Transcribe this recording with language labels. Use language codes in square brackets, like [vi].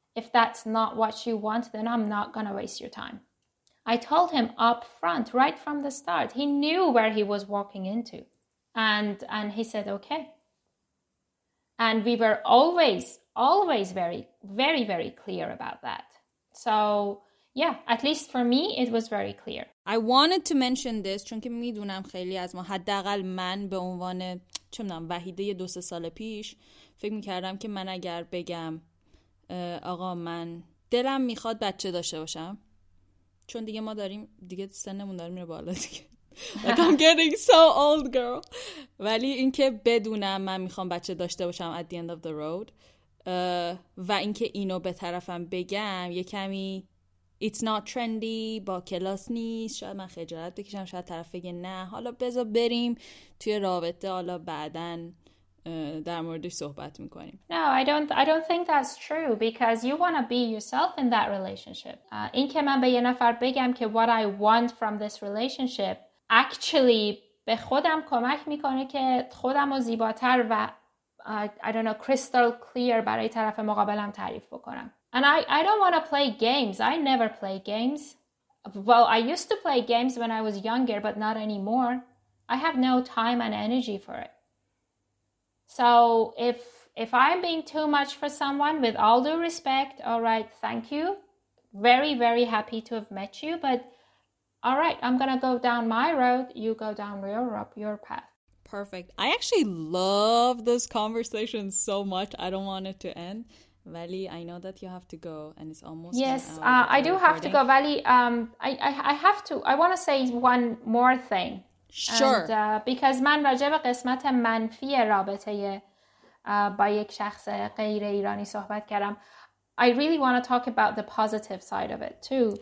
[en] If that's not what you want, then I'm not going to waste your time. I told him up front, right from the start. He knew where he was walking into. And he said, okay. And we were always, always very, very, very clear about that. So, yeah, at least for me, it was very clear. I wanted to mention this, [fa] چونکه میدونم خیلی از ما، حداقل من به عنوان چه میدونم وحیده دو سه سال پیش فکر میکردم که من اگر بگم آقا من دلم میخواد بچه داشته باشم، چون دیگه ما داریم دیگه سنمون داریم رو بالا دیگه [en] like I'm getting so old girl، [fa] ولی اینکه بدونم من میخوام بچه داشته باشم [en] at the end of the road [fa] و اینکه اینو به طرفم بگم یه کمی [en] it's not trendy، [fa] با کلاس نیست، شاید من خجالت بکشم، شاید طرف بگه نه حالا بذار بریم توی رابطه حالا بعدن در موردش صحبت میکنیم. [en] No, I don't think that's true because you want to be yourself in that relationship. [fa] این که من به یه نفر بگم که [en] what I want from this relationship actually [fa] به خودم کمک میکنه که خودم رو زیباتر و [en] I don't know crystal clear [fa] برای طرف مقابلم تعریف بکنم. [en] And I don't want to play games. I never play games. Well, I used to play games when I was younger, but not anymore. I have no time and energy for it. So if I'm being too much for someone, with all due respect, all right, thank you. Very, very happy to have met you. But all right, I'm going to go down my road. You go down your path. Perfect. I actually love this conversation so much. I don't want it to end. Vali, I know that you have to go and it's almost... Yes, I do have to go. Vali, I have to... I want to say one more thing. Sure. And, because [fa] من راجع به قسمت منفی رابطه با یک شخص غیر ایرانی صحبت کردم. [en] I really want to talk about the positive side of it too.